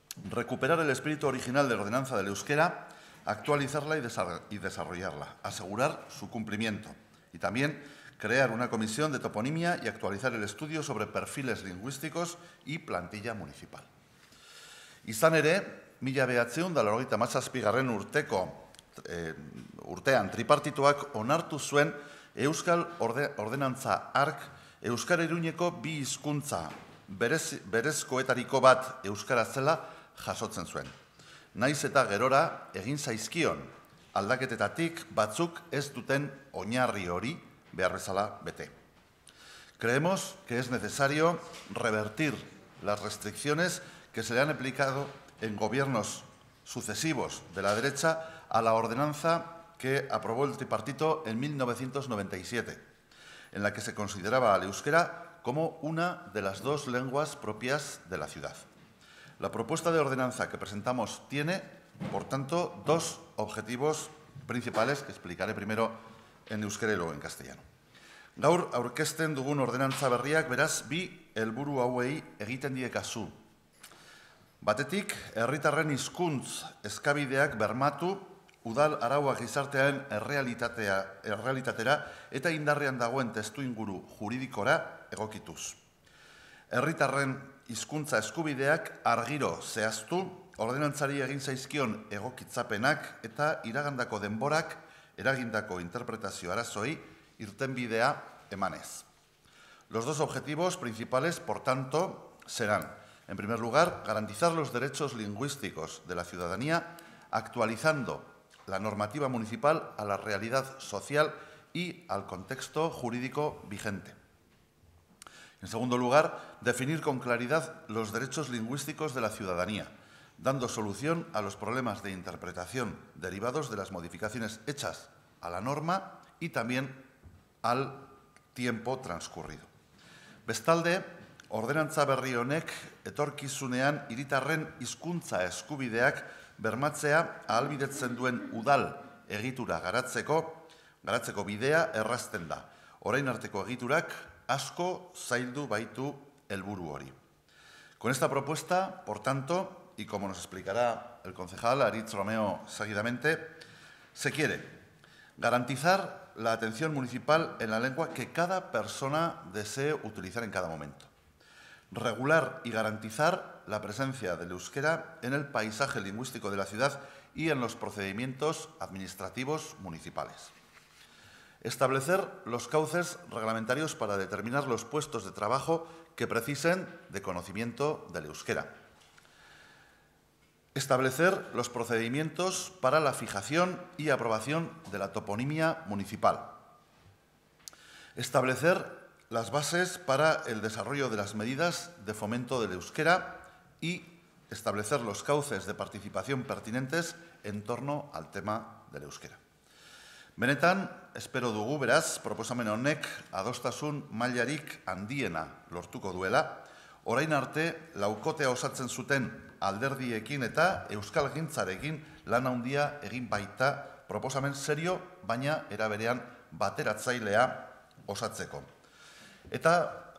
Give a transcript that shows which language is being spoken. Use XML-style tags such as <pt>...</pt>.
<es>Recuperar el espíritu original de la ordenanza del euskera, actualizarla y desarrollarla, asegurar su cumplimiento y también crear una comisión de toponimia y actualizar el estudio sobre perfiles lingüísticos y plantilla municipal.</es> <eu>Izan ere, 1987garren urteko urtean tripartituak onartu zuen Euskal Ordenantza Ark Euskara Iruñeko bi hizkuntza berezkoetariko bat euskara zela jasotzen zuen. Naiz eta gerora egin zaizkion aldaketetatik batzuk ez duten oinarri hori behar bezala bete.</eu> <es>Creemos que es necesario revertir las restricciones que se le han aplicado en gobiernos sucesivos de la derecha a la ordenanza que aprobó el tripartito en 1997, en la que se consideraba al euskera como una de las dos lenguas propias de la ciudad. La propuesta de ordenanza que presentamos tiene, por tanto, dos objetivos principales que explicaré primero en euskera y luego en castellano.</es> <eu>Gaur aurkezten dugun ordenantza berriak, beraz, bi helburu hauei egiten die kasu. Batetik, herritarren hizkuntz eskabideak bermatu, udal arauak gizartean errealitatera eta indarrean dagoen testu inguru juridikora egokituz. Herritarren hizkuntza eskubideak argiro zehaztu, ordenantzari egin zaizkion egokitzapenak eta iragandako denborak eragindako interpretazio arazoi irtenbidea emanez.</eu> <es>Los dos objetivos principales, por tanto, serán, en primer lugar, garantizar los derechos lingüísticos de la ciudadanía actualizando la normativa municipal a la realidad social y al contexto jurídico vigente. En segundo lugar, definir con claridad los derechos lingüísticos de la ciudadanía, dando solución a los problemas de interpretación derivados de las modificaciones hechas a la norma y también al tiempo transcurrido.</es> <eu>Bestalde, ordenantza berri honek etorkizunean hiritarren hizkuntza eskubideak bermatzea ahalbidetzen duen udal egitura garatzeko bidea errazten da. Orain arteko egiturak asko zaildu baitu helburu hori.</eu> <es>Con esta propuesta, por tanto, y como nos explicará el concejal Aritz Romeo seguidamente, se quiere garantizar la atención municipal en la lengua que cada persona desee utilizar en cada momento. Regular y garantizar la presencia del euskera en el paisaje lingüístico de la ciudad y en los procedimientos administrativos municipales. Establecer los cauces reglamentarios para determinar los puestos de trabajo que precisen de conocimiento del euskera. Establecer los procedimientos para la fijación y aprobación de la toponimia municipal. Establecer las bases para el desarrollo de las medidas de fomento del euskera y establecer los cauces de participación pertinentes en torno al tema del euskera.</es> <eu>Benetan, espero dugu beraz, proposamen honek adostasun mailarik handiena lortuko duela, orain arte laukotea osatzen zuten alderdiekin eta euskalgintzarekin lan handia egin baita proposamen serio, baina eraberean bateratzailea osatzeko. Eta</eu>